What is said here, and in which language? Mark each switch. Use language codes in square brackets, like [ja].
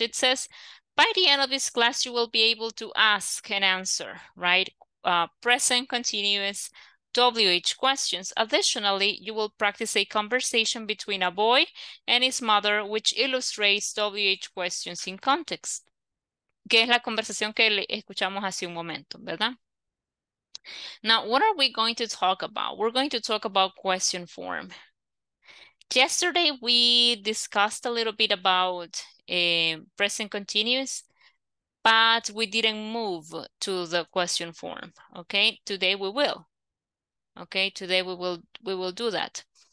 [en] It says, by the end of this class, you will be able to ask and answer, right? Present continuous WH questions. Additionally, you will practice a conversation between a boy and his mother, which illustrates WH questions in context. [es] Que es la conversación que escuchamos hace un momento, ¿verdad? [en] Now, what are we going to talk about? We're going to talk about question form. Yesterday, we discussed a little bit about present continuous, but we didn't move to the question form. Okay, today we will. Okay, today we will do that.